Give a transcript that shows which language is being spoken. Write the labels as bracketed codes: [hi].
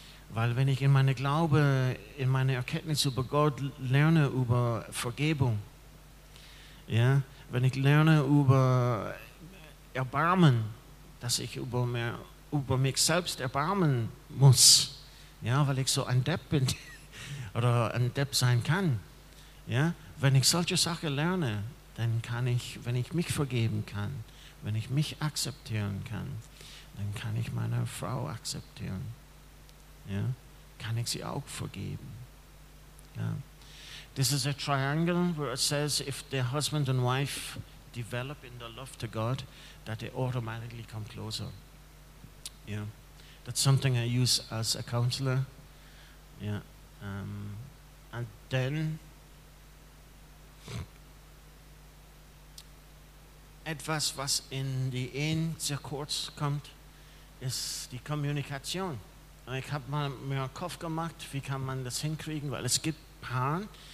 [de] Weil wenn ich in meine Glaube, in meine Erkenntnis über Gott lerne, über Vergebung, ja, wenn ich lerne über Erbarmen, dass ich über mich selbst erbarmen muss, ja, weil ich so ein Depp bin, oder ein Depp sein kann. Ja? Wenn ich solche Sachen lerne, dann kann ich, wenn ich mich vergeben kann, wenn ich mich akzeptieren kann, dann kann ich meine Frau akzeptieren. Ja? Kann ich sie auch vergeben. Ja? [en] This is a triangle where it says if the husband and wife develop in the love to God, that they automatically come closer. Ja? That's something I use as a counselor. [de] Ja? [en] And then [de] etwas, was in die Ehen sehr kurz kommt, ist die Kommunikation. Ich habe mal mir einen Kopf gemacht, wie kann man das hinkriegen, weil es gibt Paaren.